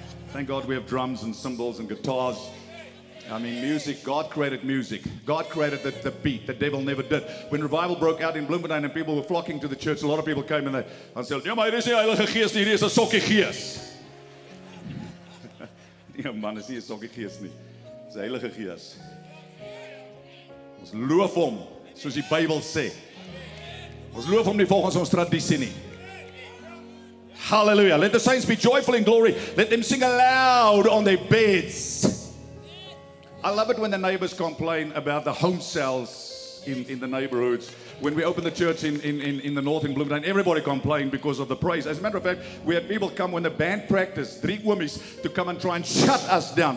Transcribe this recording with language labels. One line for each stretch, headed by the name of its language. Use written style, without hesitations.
English: Thank God we have drums and cymbals and guitars. I mean, music, God created music. God created the beat. The devil never did. When revival broke out in Bloemfontein and people were flocking to the church, a lot of people came and they said,
Afrikaans: "Ja, maar hier is die Heilige Geest, hier is 'n sokkie gees." Ja, man, is nie 'n sokkie gees nie. Dis die Heilige Gees. Ons loof hom, soos die Bybel sê. Ons loof hom nie volgens ons tradisie nie. Hallelujah.
English: Let the saints be joyful in glory. Let them sing aloud on their beds. I love it when the neighbors complain about the home cells in the neighborhoods. When we opened the church in the north in Bloemfontein, everybody complained because of the praise. As a matter of fact, we had people come when the band practiced, three women, to come and try and shut us down.